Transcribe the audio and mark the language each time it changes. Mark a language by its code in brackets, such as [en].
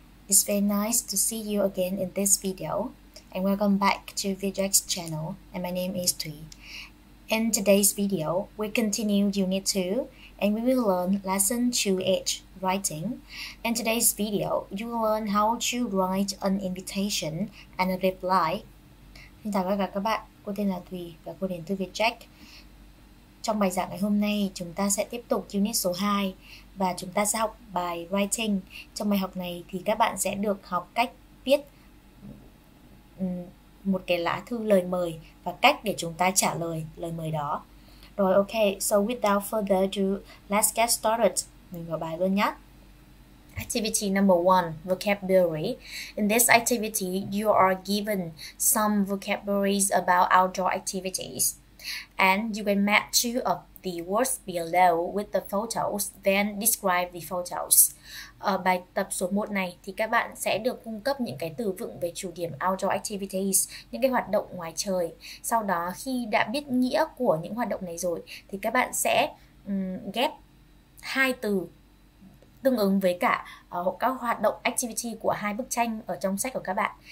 [en] It's very nice to see you again in this video, and welcome back to VJ's channel, and my name is Thuy. In today's video, we continue Unit 2, and we will learn Lesson 2H, Writing. In today's video, you will learn how to write an invitation and a reply. [vi] Xin chào tất cả các bạn, cô tên là Thùy và cô đến từ VJ. Trong bài giảng ngày hôm nay, chúng ta sẽ tiếp tục Unit số 2 và chúng ta sẽ học bài Writing. Trong bài học này thì các bạn sẽ được học cách viết một cái lá thư lời mời và cách để chúng ta trả lời lời mời đó. [en] Rồi, ok, so without further ado, let's get started. [vi] Mình vào bài luôn nhé. [en] Activity number 1, vocabulary. In this activity, you are given some vocabularies about outdoor activities, and you can match two of the words below with the photos, then describe the photos. [vi] Ở bài tập số 1 này thì các bạn sẽ được cung cấp những cái từ vựng về chủ điểm outdoor activities, những cái hoạt động ngoài trời. Sau đó khi đã biết nghĩa của những hoạt động này rồi thì các bạn sẽ ghép hai từ tương ứng với cả các hoạt động activity của hai bức tranh ở trong sách của các bạn.